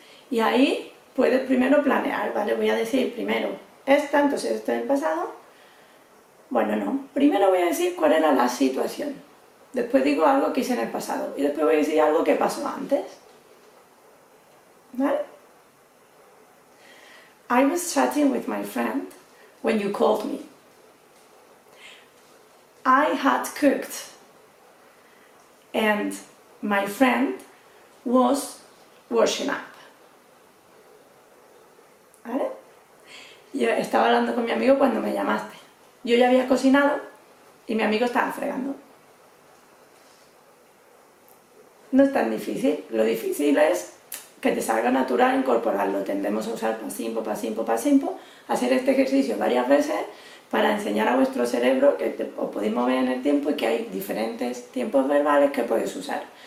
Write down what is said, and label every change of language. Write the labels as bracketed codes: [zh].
[es] Y ahí puedes primero planear, ¿vale? Voy a decir primero esta, entonces esto es el pasado. Bueno, no. Primero voy a decir cuál era la situación. Después digo algo que hice en el pasado. Y después voy a decir algo que pasó antes. ¿Vale? [en] I was chatting with my friend when you called me. I had cooked and my friend was washing up. [es] ¿Vale? Yo estaba hablando con mi amigo cuando me llamaste. Yo ya había cocinado y mi amigo estaba fregando. No es tan difícil. Lo difícil es que te salga natural incorporarlo. Tendemos a usar pasimpo, pasimpo, pasimpo. Hacer este ejercicio varias veces para enseñar a vuestro cerebro que os podéis mover en el tiempo y que hay diferentes tiempos verbales que podéis usar.